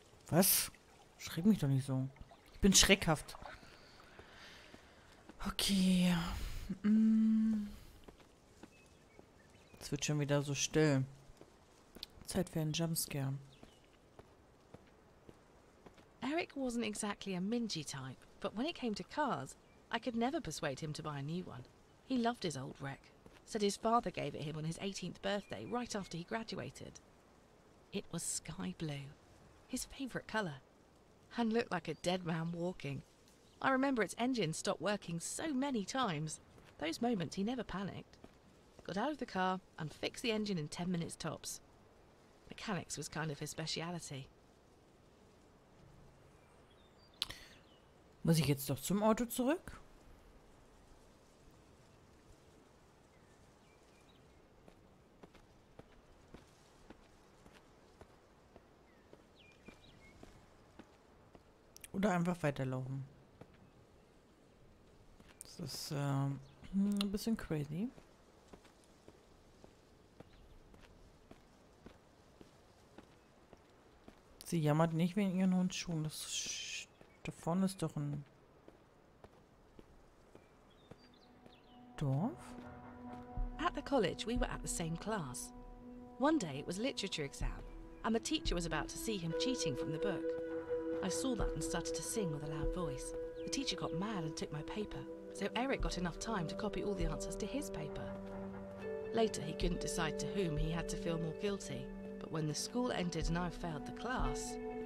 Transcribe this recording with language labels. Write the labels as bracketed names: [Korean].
[German] Was? Schreck mich doch nicht so. Ich bin schreckhaft. Okay. Es wird schon wieder so still. Zeit für einen Jumpscare. [English] Eric wasn't exactly a mingy type, but when it came to cars, I could never persuade him to buy a new one. He loved his old wreck. Said his father gave it him on his 18th birthday, right after he graduated. It was sky blue. His favorite color, and looked like a dead man walking. I remember its engine stopped working so many times. Those moments he never panicked. Got out of the car and fixed the engine in 10 minutes tops. Mechanics was kind of his speciality. [German] Muss ich jetzt doch zum Auto zurück? Oder einfach weiterlaufen. Das ist ein bisschen crazy. Sie jammert nicht wegen ihren Hundschuhen. Das da vorne ist doch ein Dorf. [English] At the college, we were at the same class. One day it was literature exam, and the teacher was about to see him cheating from the book. I saw that and started to sing with a loud voice. The teacher got mad and took my paper. so Eric got enough time to copy all the answers to his paper. Later, he couldn't decide to whom he had to feel more guilty, but when the school ended and I failed the class...